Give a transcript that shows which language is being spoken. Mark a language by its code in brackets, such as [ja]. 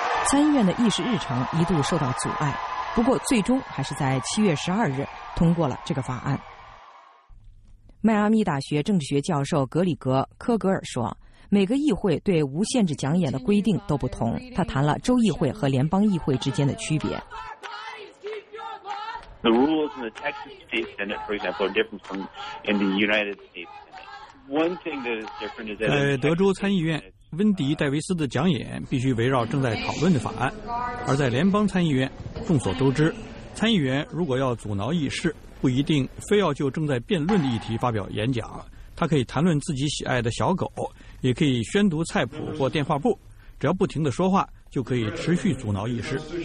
[zh] 参议院的议事日程一度受到阻碍，不过最终还是在7月12日通过了这个法案。迈阿密大学政治学教授格里格·科格尔说，每个议会对无限制讲演的规定都不同。他谈了州议会和联邦议会之间的区别。 [en] The rules in the Texas State Senate, for example, are different from in the United States Senate. One thing that is different is that [zh] 在德州参议院，温迪·戴维斯的讲演必须围绕正在讨论的法案，而在联邦参议院，众所周知，参议员如果要阻挠议事，不一定非要就正在辩论的议题发表演讲，他可以谈论自己喜爱的小狗，也可以宣读菜谱或电话簿，只要不停地说话，就可以持续阻挠议事。